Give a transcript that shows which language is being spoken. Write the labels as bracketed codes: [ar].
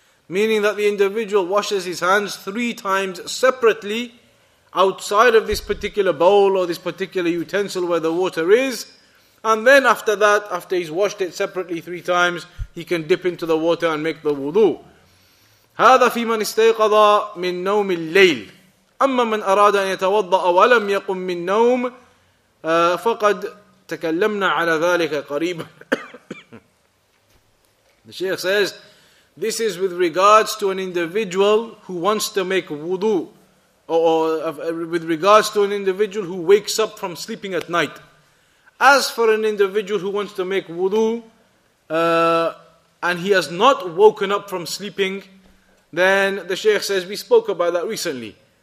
[en] Meaning that the individual washes his hands 3 times separately, outside of this particular bowl or this particular utensil where the water is, and then after that, after he's washed it separately 3 times, he can dip into the water and make the wudu. [ar] هذا في من استيقظ من نوم الليل. أما من أراد أن يتوضأ ولم يقم من نوم فقد تكلمنا على ذلك قريبا. [en] The Shaykh says, this is with regards to an individual who wants to make wudu, who wakes up from sleeping at night. As for an individual who wants to make wudu, and he has not woken up from sleeping, then the Shaykh says, we spoke about that recently.